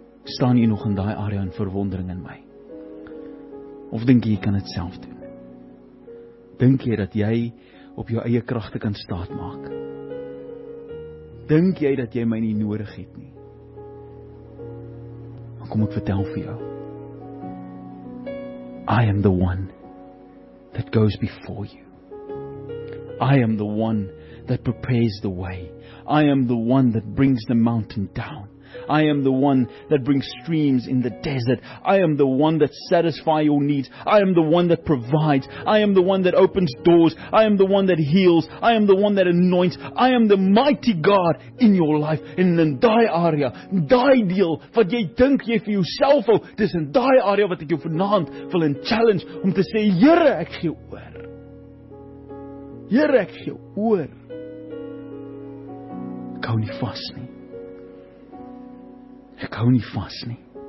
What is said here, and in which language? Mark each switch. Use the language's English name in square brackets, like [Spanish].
[Afrikaans] Staan jy nog in daai area in verwondering in my? Of dink jy kan dit self doen? Dink jy dat jy op jou eie kragte kan staat maak? Dink jy dat jy my nie nodig het nie? Dan kom ek vertel vir jou, [English] I am the one that goes before you. I am the one that prepares the way. I am the one that brings the mountain down. I am the one that brings streams in the desert. I am the one that satisfies your needs. I am the one that provides. I am the one that opens doors. I am the one that heals. I am the one that anoints. I am the mighty God in your life. [Afrikaans] And in die area, die deal, wat jy dink jy vir jouself hou, dis in die area wat ek jou vanaand wil in challenge om te sê, Here, ek gee oor. Here, ek gee oor. Ek hou nie vas nie. Ek hou nie vas nie.